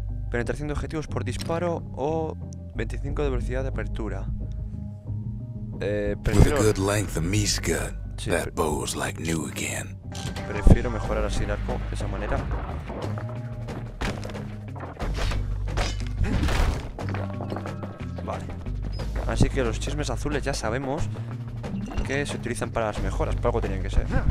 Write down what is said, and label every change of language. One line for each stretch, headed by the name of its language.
Spanish: Penetración de objetivos por disparo o 25 de velocidad de apertura. Prefiero.
English: With a good length of Miska, sí, that bow is like new again.
Spanish: Prefiero mejorar así el arco de esa manera. Vale. Así que los chismes azules ya sabemos que se utilizan para las mejoras, pero algo tenían que ser.